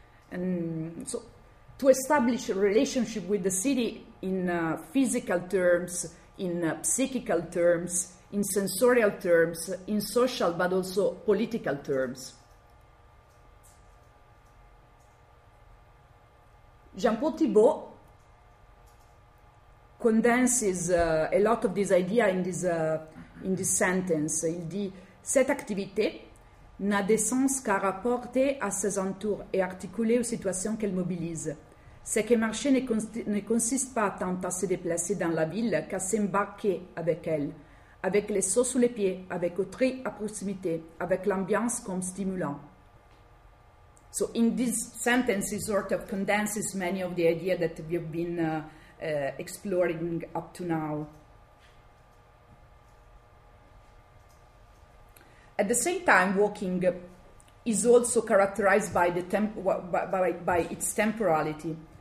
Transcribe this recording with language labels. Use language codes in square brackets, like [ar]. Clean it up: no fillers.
[en] And so to establish a relationship with the city in physical terms, in psychical terms, in sensorial terms, in social but also political terms. Jean-Paul Thibault condenses a lot of this idea in this sentence. [fr] Il dit: cette activité n'a de sens qu'à rapporter à ses entours et articuler aux situations qu'elle mobilise. C'est que marcher ne consiste pas tant à se déplacer dans la ville qu'à s'embarquer avec elle, avec les seaux sous les pieds, avec autrui à proximité, avec l'ambiance comme stimulant. [en] So in this sentence, it sort of condenses many of the ideas that we have been exploring up to now. At the same time, walking is also characterized by the by its temporality.